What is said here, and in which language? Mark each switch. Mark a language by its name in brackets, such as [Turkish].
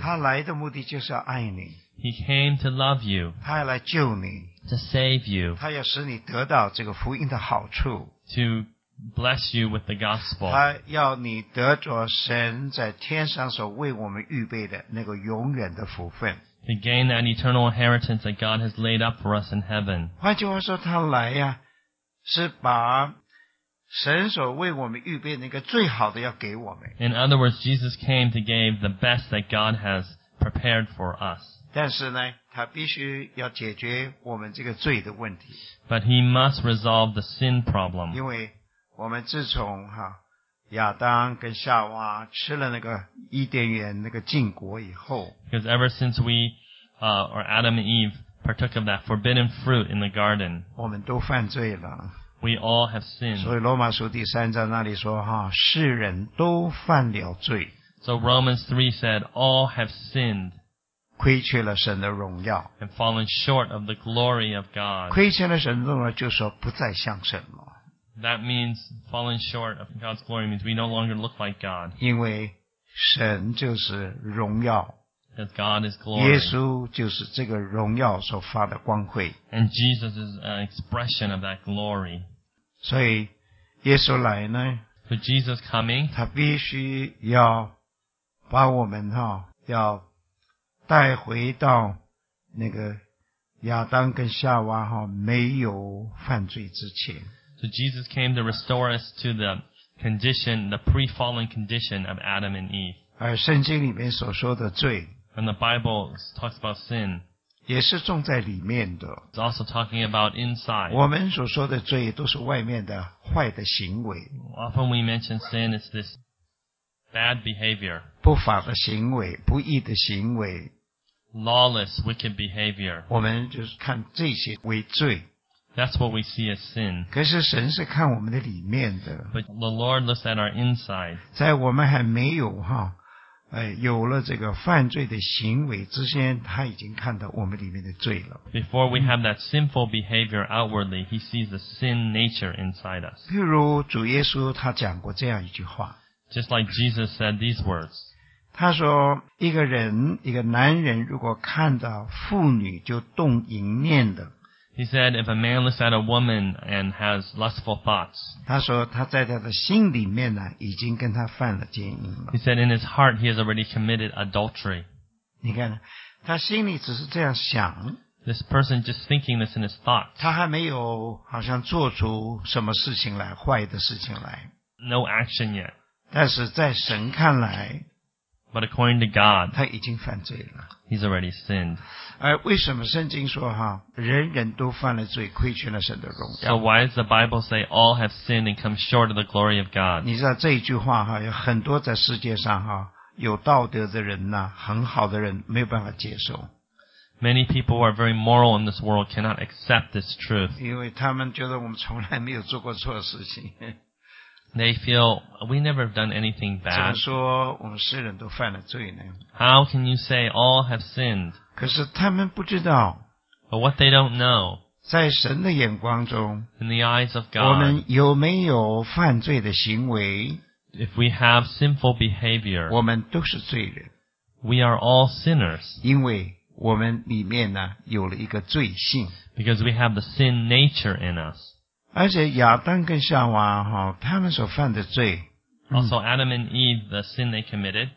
[Chinese] 他来的目的就是要爱你。 [English] He came to love you. [Chinese] 他要来救你。 [English] To save you. [Chinese] 他要使你得到这个福音的好处。 [English] To bless you with the gospel. [Chinese] 他要你得着神在天上所为我们预备的那个永远的福分。 [English] To gain that eternal inheritance that God has laid up for us in heaven. [Chinese] 换句话说他来呀是把神所为我们预备那个最好的要给我们。 [English] In other words, Jesus came to give the best that God has prepared for us. [Chinese] 但是呢他必须要解决我们这个罪的问题。 [English] But he must resolve the sin problem. [Chinese] 因为我们自从哈亚当跟夏娃吃了那个伊甸园那个禁果以后 [English] Because ever since we, or Adam and Eve partook of that forbidden fruit in the garden, [Chinese] 我们都犯罪了。 [English] We all have sinned. [Chinese] 所以罗马书第三章那里说哈，世人都犯了罪。 [English] So Romans 3 said, all have sinned. [Chinese] 亏缺了神的荣耀。 [English] And fallen short of the glory of God. [Chinese] 亏缺了神的荣耀就说不再像神了。 [English] That means falling short of God's glory means we no longer look like God. [Chinese] 因为神就是荣耀。 [English] Because God is glory. [Chinese] 耶稣就是这个荣耀所发的光辉。 [English] And Jesus is an expression of that glory. [Chinese] 所以耶稣来呢 [English] So Jesus coming, [Chinese] 他必须要把我们哈要带回到那个亚当跟夏娃哈没有犯罪之前。 [English] So Jesus came to restore us to the condition, the pre-fallen condition of Adam and Eve. [Chinese] 而圣经里面所说的罪 [English] And the Bible talks about sin. [Chinese] 也是种在里面的 [English] It's also talking about inside. [Chinese] 我们所说的罪都是外面的坏的行为 [English] Often we mention sin is this bad behavior. [Chinese] 不法的行为不义的行为 [English] Lawless, wicked behavior. [Chinese] 我们就是看这些为罪 [English] That's what we see as sin. [Chinese] 可是神是看我们的里面的。 [English] But the Lord looks at our inside. [Chinese] 在我们还没有哈，有了这个犯罪的行为之前，他已经看到我们里面的罪了。 [English] Before we have that sinful behavior outwardly, he sees the sin nature inside us. [Chinese] 譬如主耶稣他讲过这样一句话。 [English] Just like Jesus said these words. [Chinese] 他说，一个人，一个男人，如果看到妇女就动淫念的。 [English] He said, if a man looks at a woman and has lustful thoughts, [Chinese] 他说他在他的心里面呢，已经跟他犯了奸淫了。 [English] He said, in his heart, he has already committed adultery. [Chinese] 你看，他心里只是这样想。 [English] This person just thinking this in his thoughts. [Chinese] 他还没有好像做出什么事情来，坏的事情来。 [English] No action yet. [Chinese] 但是在神看来 [English] But according to God, [Chinese] 他已经犯罪了。 [English] He's already sinned. [Chinese] 而为什么圣经说哈，人人都犯了罪，亏缺了神的荣耀。 [English] So why does the Bible say all have sinned and come short of the glory of God? [Chinese] 你知道这一句话哈，有很多在世界上哈，有道德的人呐，很好的人没有办法接受。 [English] Many people who are very moral in this world cannot accept this truth. [Chinese] 因为他们觉得我们从来没有做过错事情。 [English] They feel, we never have done anything bad. [Chinese] 怎么说我们世人都犯了罪呢? [English] How can you say all have sinned? [Chinese] 可是他们不知道。 [English] But what they don't know. [Chinese] 在神的眼光中。 [English] In the eyes of God. [Chinese] 我们有没有犯罪的行为? [English] If we have sinful behavior. [Chinese] 我们都是罪人。 [English] We are all sinners. [Chinese] 因为我们里面呢有了一个罪性。 [English] Because we have the sin nature in us. [Chinese] 而且亚当跟夏娃他们所犯的罪 [English] Also Adam and Eve, the sin they committed